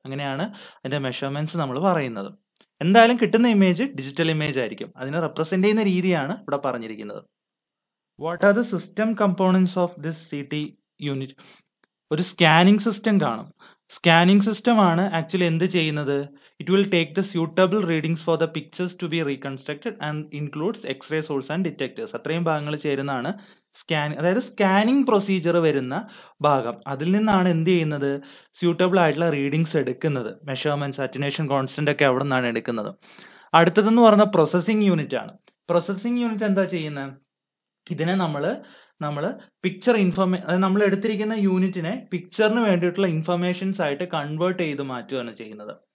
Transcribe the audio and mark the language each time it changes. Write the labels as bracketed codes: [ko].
[ml] അങ്ങനെയാണ് അതിൻ്റെ മെഷർമെൻറ്റ്സ് നമ്മൾ പറയുന്നത്. എന്തായാലും കിട്ടുന്ന ഇമേജ് ഡിജിറ്റൽ ഇമേജ് ആയിരിക്കും, അതിനെ റെപ്രസെൻ്റ് ചെയ്യുന്ന രീതിയാണ് ഇവിടെ പറഞ്ഞിരിക്കുന്നത്. [en] What are the system components of this C T unit? [ml] ഒരു സ്കാനിങ് സിസ്റ്റം കാണും. സ്കാനിങ് സിസ്റ്റമാണ് ആക്ച്വലി എന്ത് ചെയ്യുന്നത്, [en] it will take the suitable readings for the pictures to be reconstructed and includes x-ray source and detectors. [ml] അത്രയും ഭാഗങ്ങൾ ചേരുന്നതാണ് scanning, അതായത് scanning procedure വരുന്ന ഭാഗം. അതിൽ നിന്നാണ് എന്ത് ചെയ്യുന്നത്, സ്യൂട്ടബിൾ ആയിട്ടുള്ള റീഡിങ്സ് എടുക്കുന്നത്, മെഷർമെന്റ്സ്, അറ്റനേഷൻ കോൺസ്റ്റന്റ് ഒക്കെ അവിടെ നിന്നാണ് എടുക്കുന്നത്. അടുത്തതെന്ന് പറഞ്ഞ പ്രോസസ്സിംഗ് യൂണിറ്റ് ആണ്. പ്രോസസ്സിംഗ് യൂണിറ്റ് എന്താ ചെയ്യുന്നത്, ഇതിനെ നമ്മൾ പിക്ചർ ഇൻഫർമേ, നമ്മൾ എടുത്തിരിക്കുന്ന യൂണിറ്റിനെ പിക്ചറിന് വേണ്ടിയിട്ടുള്ള ഇൻഫർമേഷൻസ് ആയിട്ട് കൺവേർട്ട് ചെയ്ത് മാറ്റുകയാണ് ചെയ്യുന്നത്.